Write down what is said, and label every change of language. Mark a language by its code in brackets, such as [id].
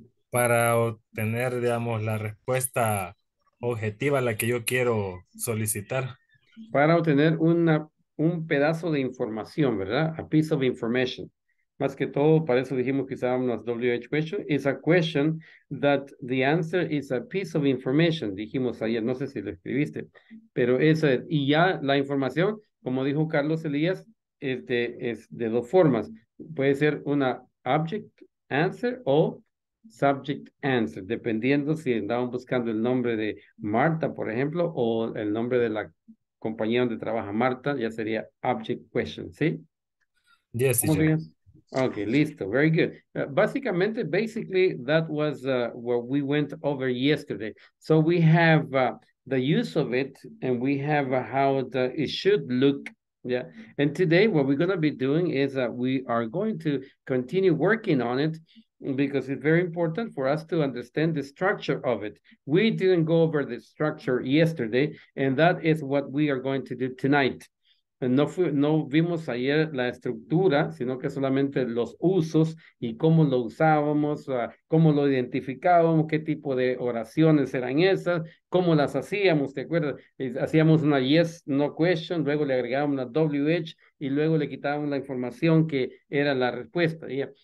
[es] Para obtener, digamos, la respuesta objetiva a la que yo quiero solicitar. Para obtener un pedazo de información, ¿verdad? [en] A piece of information. [es] Más que todo, para eso dijimos que usábamos las WH questions. [en] It's a question that the answer is a piece of information. [es] Dijimos ayer, no sé si lo escribiste, pero esa es. Y ya la información, como dijo Carlos Elías, es de dos formas. Puede ser una object answer o subject answer, dependiendo si andaban buscando el nombre de Marta, por ejemplo, o el nombre de la compañía donde trabaja Marta, ya sería object question, ¿sí? [en] Yes, sí. Okay, listo, very good. Básicamente, basically, that was what we went over yesterday. So we have the use of it, and we have how it should look. Yeah. And today, what we're going to be doing is that we are going to continue working on it, because it's very important for us to understand the structure of it. We didn't go over the structure yesterday, and that is what we are going to do tonight. [es] No vimos ayer la estructura, sino que solamente los usos y cómo lo usábamos, cómo lo identificábamos, qué tipo de oraciones eran esas, cómo las hacíamos, ¿te acuerdas? Hacíamos una yes, no question, luego le agregábamos una WH y luego le quitábamos la información que era la respuesta. ¿Ya?